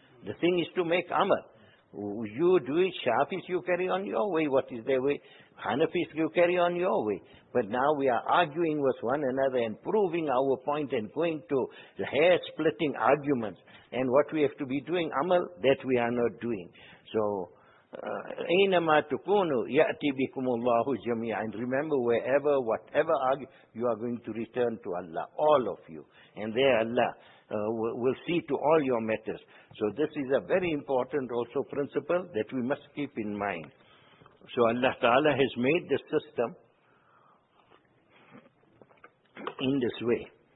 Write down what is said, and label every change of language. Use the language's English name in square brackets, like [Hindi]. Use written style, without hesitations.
[English] The thing is to make amal. You do it, Shafis you carry on your way, what is their way? Hanafis you carry on your way. But now we are arguing with one another and proving our point and going to hair-splitting arguments. And what we have to be doing, amal, that we are not doing. [Arabic] So, أينما تكونوا يأتي بكم الله جميعا. [English] Remember, wherever, whatever you are going to return to Allah, all of you. And there Allah will see to all your matters. So this is a very important also principle that we must keep in mind. So Allah Ta'ala has made the system in this way.